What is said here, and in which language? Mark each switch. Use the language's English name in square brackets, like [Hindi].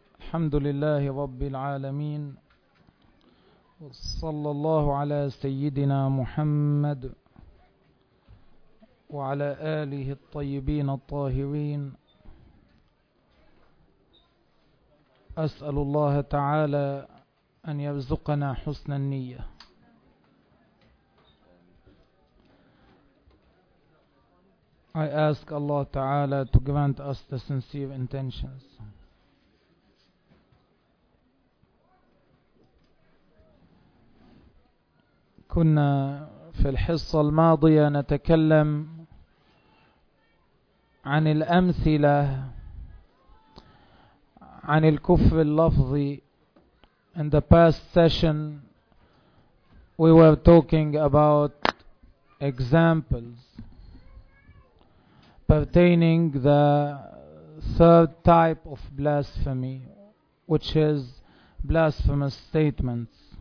[Arabic] الحمد لله رب العالمين وصلى الله على سيدنا محمد وعلى آله الطيبين الطاهرين. أسأل الله تعالى أن يرزقنا حسن النية. [English] I ask Allah Ta'ala to grant us the sincere intentions. [Arabic] كنا في الحصة الماضية نتكلم عن الأمثلة عن الكفر اللفظي. [English] In the past session we were talking about examples pertaining the third type of blasphemy, which is blasphemous statements.